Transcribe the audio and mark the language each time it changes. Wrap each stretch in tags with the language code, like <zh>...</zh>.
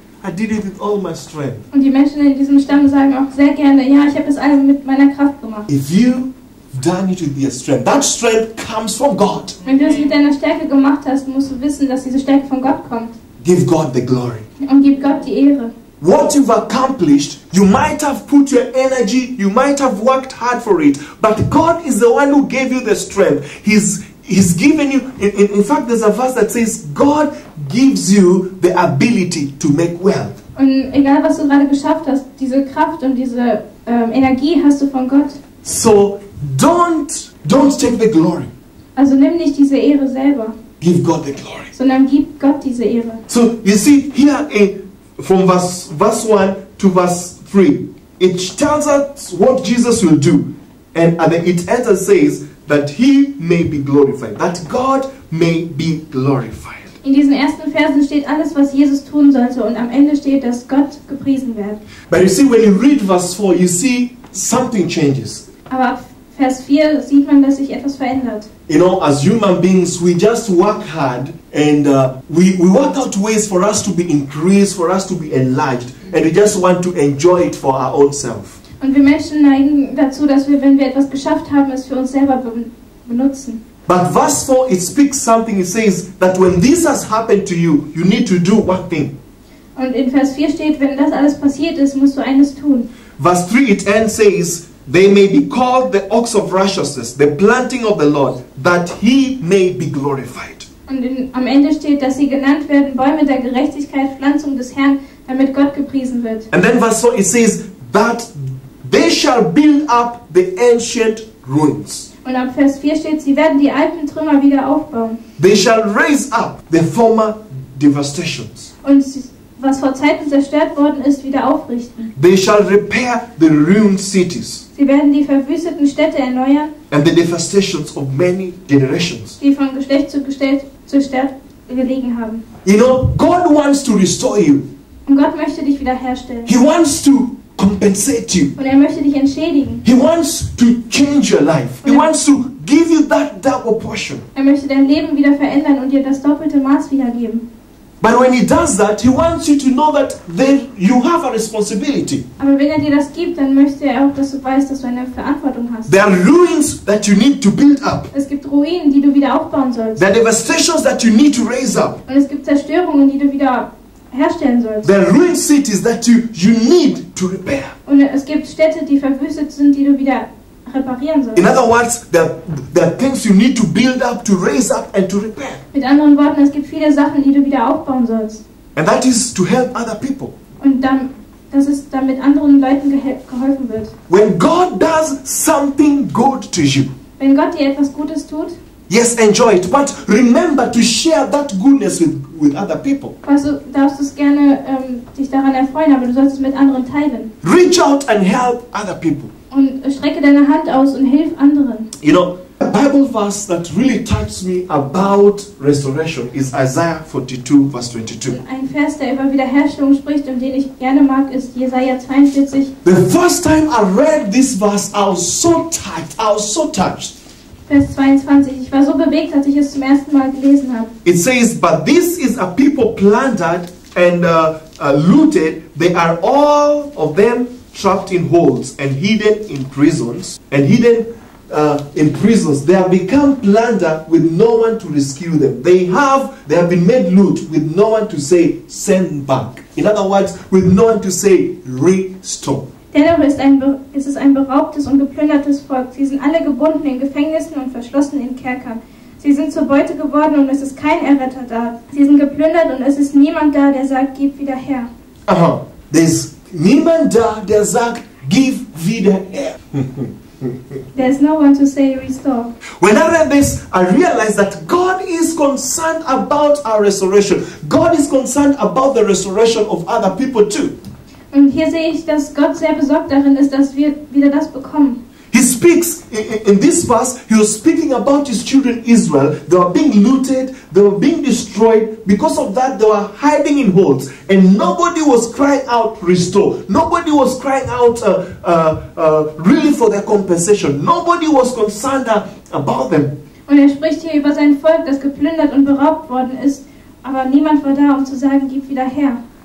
<en>I did it with all my strength.</en> <de>Und die Menschen in diesem Stamm sagen auch sehr gerne, ja, ich habe es alles mit meiner Kraft gemacht.</de> <en>If you've done it with your strength, that strength comes from God.</en> <de>Wenn du es mit deiner Stärke gemacht hast, musst du wissen, dass diese Stärke von Gott kommt.</de> <en>Give God the glory.</en> <de>Und gib Gott die Ehre.</de> <en>What you've accomplished, you might have put your energy, you might have worked hard for it, but God is the one who gave you the strength. He's given you, in fact, there's a verse that says, God gives you the ability to make wealth.</en> <de>Und egal, was du gerade geschafft hast, diese Kraft und diese Energie hast du von Gott.</de> <en>So, don't take the glory.</en> <de>Also nimm nicht diese Ehre selber.</de> <en>Give God the glory.</en> <de>Sondern gib Gott diese Ehre.</de> <en>So, you see, here from verse 1 to verse 3, it tells us what Jesus will do. And it ends and says, that he may be glorified, that God may be glorified.</en> <de>In diesen ersten Versen steht alles, was Jesus tun sollte, und am Ende steht, dass Gott gepriesen wird.</de> <en>But you see, when you read verse 4, you see something changes.</en> <de>Aber Vers 4 sieht man, dass sich etwas verändert.</de> <en>You know, as human beings, we just work hard and we work out ways for us to be increased, for us to be enlarged, and we just want to enjoy it for our own self.</en> <de>Und wir Menschen neigen dazu, dass wir, wenn wir etwas geschafft haben, es für uns selber benutzen.</de> <en>But verse 4, it speaks something. It says that when this has happened to you, you need to do one thing.</en> <de>Und in Vers 4 steht, wenn das alles passiert ist, musst du eines tun.</de> <en>Verse 3, it ends, says, they may be called the ox of righteousness, the planting of the Lord, that he may be glorified.</en> <de>Und am Ende steht, dass sie genannt werden Bäume der Gerechtigkeit, Pflanzung des Herrn, damit Gott gepriesen wird.</de> <en>And then verse 4, it says, that they shall build up the ancient ruins.</en> <de>Und ab Vers 4 steht, sie werden die alten Trümmer wieder aufbauen.</de> <en>They shall raise up the former devastations.</en> <de>Und was vor Zeiten zerstört worden ist, wieder aufrichten.</de> <en>They shall repair the ruined cities.</en> <de>Sie werden die verwüsteten Städte erneuern.</de> <en>And the devastations of many generations.</en> <de>Die von Geschlecht zu Geschlecht zerstört gelegen haben.</de> <en>You know, God wants to restore you.</en> <de>Und Gott möchte dich wiederherstellen.</de> <en>He wants to compensate you.</en> <de>Und er möchte dich entschädigen.</de> <en>He wants to change your life. He wants to give you that double portion.</en> <de>Er möchte dein Leben wieder verändern und dir das doppelte Maß wiedergeben.</de> <en>But when he does that, he wants you to know that then you have a responsibility.</en> <de>Aber wenn er dir das gibt, dann möchte er auch, dass du weißt, dass du eine Verantwortung hast.</de> <en>There are ruins that you need to build up.</en> <de>Es gibt Ruinen, die du wieder aufbauen sollst.</de> <en>There are devastations that you need to raise up.</en> <de>Und es gibt Zerstörungen, die du wieder herstellen sollst.</de> <en>There are ruined cities that you need to repair.</en> <de>Und es gibt Städte, die verwüstet sind, die du wieder reparieren sollst.</de> <en>In other words, there are things you need to build up, to raise up and to repair.</en> <de>Mit anderen Worten, es gibt viele Sachen, die du wieder aufbauen sollst.</de> <en>And that is to help other people.</en> <de>Und dann, das ist, damit anderen Leuten geholfen wird.</de> <en>When God does something good to you.</en> <de>Wenn Gott dir etwas Gutes tut.</de> <en>Yes, enjoy it, but remember to share that goodness with other people.</en> <de>Also, darfst du es gerne dich daran erfreuen, aber du sollst es mit anderen teilen.</de> <en>Reach out and help other people.</en> <de>Und strecke deine Hand aus und hilf anderen.</de> <en>You know, a Bible verse that really touched me about restoration is Isaiah 42, verse 22.</en> <de>Ein Vers, der über Wiederherstellung spricht und den ich gerne mag, ist Jesaja 42.</de> <en>The first time I read this verse, I was so touched. I was so touched.</en> <de>Vers 22. Ich war so bewegt, dass ich es zum ersten Mal gelesen habe.</de> <en>It says, but this is a people plundered and looted. They are all of them trapped in holes and hidden in prisons. And hidden in prisons. They have become plundered with no one to rescue them. They have been made loot with no one to say, send back. In other words, with no one to say, restore.</en> <de>Dennoch ist es ein beraubtes und geplündertes Volk. Sie sind alle gebunden in Gefängnissen und verschlossen in Kerkern. Sie sind zur Beute geworden und es ist kein Erretter da. Sie sind geplündert und es ist niemand da, der sagt, gib wieder her. Aha,</de> <en>there is</en> <de>niemand da, der sagt,</de> <en>give</en> <de>wieder her.</de> <en>There is no one to say restore. When I read this, I realized that God is concerned about our restoration. God is concerned about the restoration of other people too.</en> <de>Und hier sehe ich, dass Gott sehr besorgt darin ist, dass wir wieder das bekommen.</de> <en>He speaks in this verse. He was speaking about his children Israel. They were being looted. They were being destroyed. Because of that, they were hiding in holes, and nobody was crying out restore. Nobody was crying out really for their compensation. Nobody was concerned about them.</en> <de>Und er spricht hier über sein Volk, das geplündert und beraubt worden ist, aber niemand war da, um zu sagen, gib wieder her.</de>